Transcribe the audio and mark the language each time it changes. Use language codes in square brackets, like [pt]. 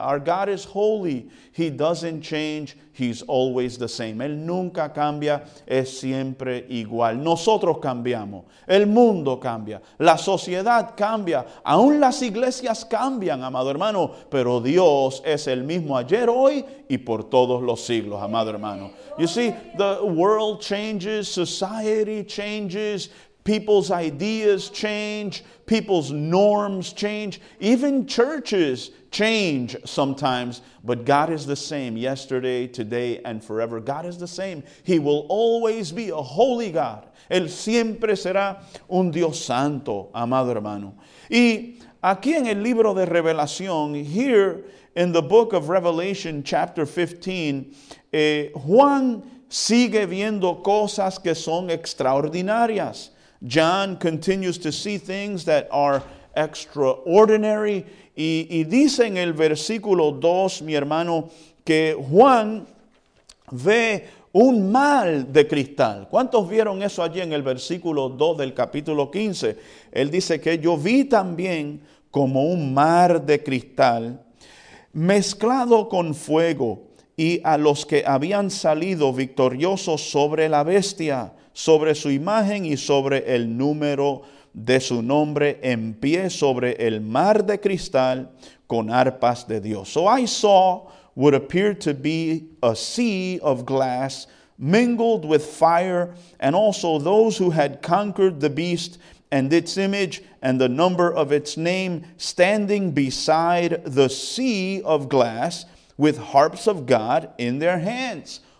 [en] Our God is holy. He doesn't change. He's always the same. [es] Él nunca cambia, es siempre igual. Nosotros cambiamos, el mundo cambia, la sociedad cambia, aún las iglesias cambian, amado hermano, pero Dios es el mismo ayer, hoy y por todos los siglos, amado hermano. [en] You see, the world changes, society changes, people's ideas change, people's norms change, even churches change sometimes, but God is the same yesterday, today, and forever. God is the same. He will always be a holy God. [es] Él siempre será un Dios santo, amado hermano. Y aquí en el libro de Revelación, [en] here in the book of Revelation, chapter 15, [es] Juan sigue viendo cosas que son extraordinarias. [en] John continues to see things that are extraordinary. [es] Y dice en el versículo 2, mi hermano, que Juan ve un mal de cristal. ¿Cuántos vieron eso allí en el versículo 2 del capítulo 15? Él dice que yo vi también como un mar de cristal mezclado con fuego y a los que habían salido victoriosos sobre la bestia, sobre su imagen y sobre el número de su nombre en pie sobre el mar de cristal con arpas de Dios. [en] So I saw what appeared to be a sea of glass mingled with fire, and also those who had conquered the beast and its image and the number of its name standing beside the sea of glass with harps of God in their hands.